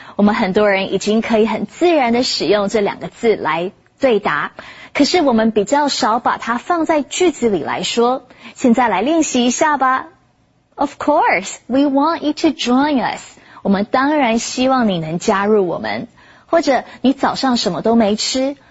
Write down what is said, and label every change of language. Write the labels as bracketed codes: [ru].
[zh] 我们很多人已经可以很自然地使用这两个字来对答。可是我们比较少把它放在句子里来说。现在来练习一下吧。 [en] Of course, we want you to join us. [zh] 我们当然希望你能加入我们。或者你早上什么都没吃。